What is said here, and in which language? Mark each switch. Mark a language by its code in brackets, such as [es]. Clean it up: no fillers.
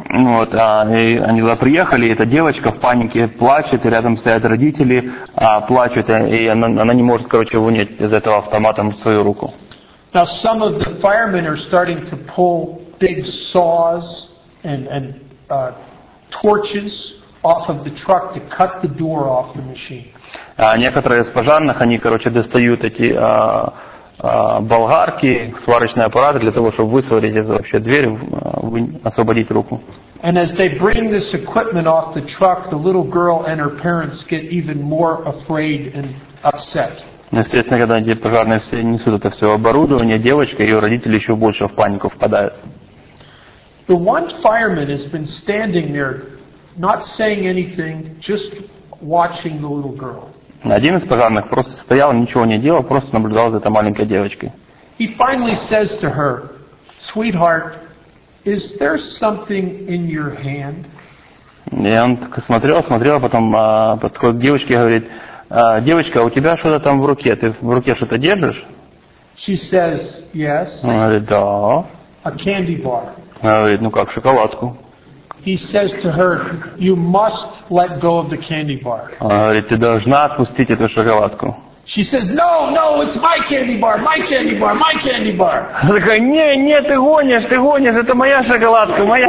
[ru] Вот, они туда приехали, эта девочка в панике плачет, и рядом стоят родители, плачут, и она не может, короче, вынуть из этого автомата свою руку. [en] Now some of the firemen are starting to pull big saws and torches off of the truck to cut the door off the machine. [ru] Некоторые из пожарных, они, короче, достают эти болгарки, сварочные аппараты для того, чтобы высварить вообще дверь, освободить руку. [en] And as they bring this equipment off the truck, the little girl and her parents get even more afraid and upset. [ru] Естественно, когда эти пожарные все несут это все оборудование, девочка и ее родители еще больше в панику впадают. [en] The one fireman has been standing there, not saying anything, just watching the little girl. [ru] Один из пожарных просто стоял, ничего не делал, просто наблюдал за этой маленькой девочкой. [en] He finally says to her, "Sweetheart, is there something in your hand?" [ru] И он смотрел, потом подходит к девочке и говорит, "Девочка, у тебя что-то там в руке, ты в руке что-то держишь?" [en] She says, "Yes." [ru] Он говорит, "Да." [en] A candy bar. [ru] Она говорит, ну как, шоколадку. [en] He says to her, "You must let go of the candy bar." [ru] Она говорит, ты должна отпустить эту шоколадку. [en] She says, "No, it's my candy bar, my candy bar." [ru] Она такая, не, ты гонишь, это моя шоколадка.